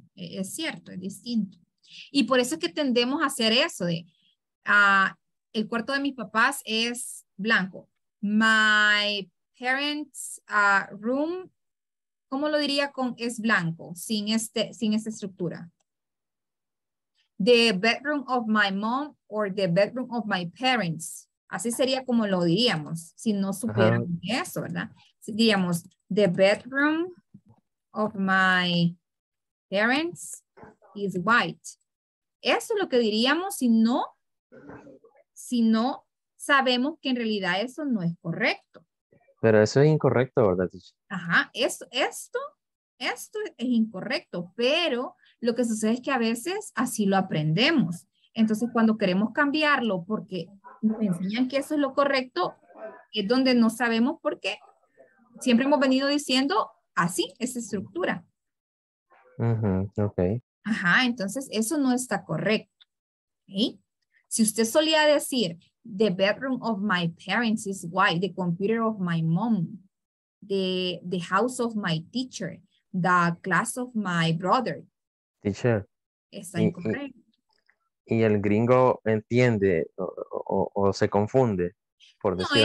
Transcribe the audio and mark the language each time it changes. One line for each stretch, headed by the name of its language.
Spanish: Es cierto, es distinto. Y por eso es que tendemos a hacer eso de el cuarto de mis papás es blanco.
English: My parents' room,
Spanish: ¿cómo lo diría con es blanco? Sin esta estructura.
English: The bedroom of my mom or the bedroom of my parents.
Spanish: Así sería como lo diríamos, si no supieran eso, ¿verdad? Diríamos,
English: the bedroom of my parents is white.
Spanish: Eso es lo que diríamos si no sabemos que en realidad eso no es correcto. Pero eso es incorrecto, ¿verdad? Ajá, esto es incorrecto, pero lo que sucede es que a veces así lo aprendemos. Entonces, cuando queremos cambiarlo porque nos enseñan que eso es lo correcto, es donde no sabemos por qué. Siempre hemos venido diciendo así, esa estructura. Uh-huh, okay. Ajá, entonces eso no está correcto. ¿Okay? Si usted solía decir,
English: the bedroom of my parents is white, the computer of my mom, the house of my teacher, the class of my brother. Teacher.
Spanish: Está incorrecto. Y el gringo entiende o se confunde, por decir